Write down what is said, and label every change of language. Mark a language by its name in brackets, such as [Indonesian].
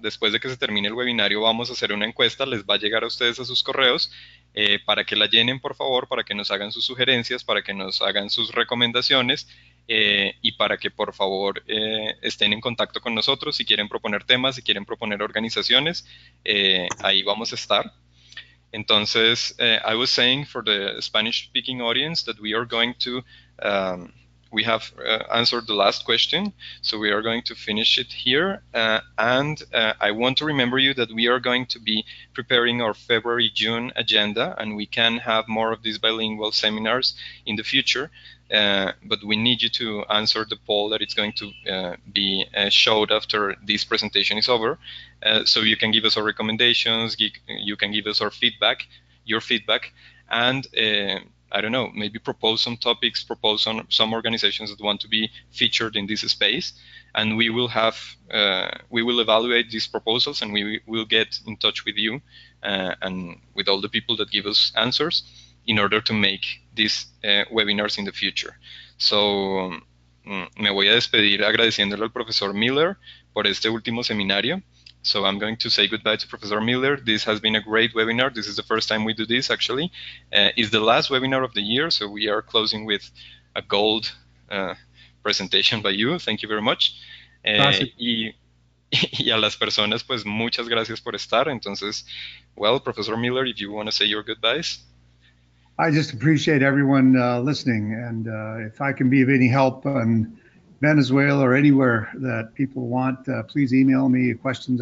[Spanish] Después de que se termine el webinario, vamos a hacer una encuesta. Les va a llegar a ustedes a sus correos para que la llenen, por favor, para que nos hagan sus sugerencias, para que nos hagan sus recomendaciones. Y para que por favor estén en contacto con nosotros si quieren proponer temas, si quieren proponer organizaciones, ahí vamos a estar. [English] Entonces, I was saying for the Spanish-speaking audience that we are going to, we have answered the last question, so we are going to finish it here. And I want to remember you that we are going to be preparing our February-June agenda, and we can have more of these bilingual seminars in the future. But we need you to answer the poll that it's going to be showed after this presentation is over. So you can give us our recommendations, you can give us our feedback, your feedback, and I don't know, maybe propose some topics, propose some organizations that want to be featured in this space. And we will have, we will evaluate these proposals, and we will get in touch with you and with all the people that give us answers, in order to make these webinars in the future. [Spanish] So, me voy a despedir agradeciéndole al profesor Miller por este último seminario. [English] So I'm going to say goodbye to Professor Miller. This has been a great webinar. This is the first time we do this, actually. It's the last webinar of the year, so we are closing with a gold presentation by you. Thank you very much. [Spanish] Y a las personas, pues, muchas gracias por estar. [English] Entonces, well, Professor Miller, if you want to say your goodbyes. I just appreciate everyone listening. And if I can be of any help in Venezuela or anywhere that people want, please email me questions.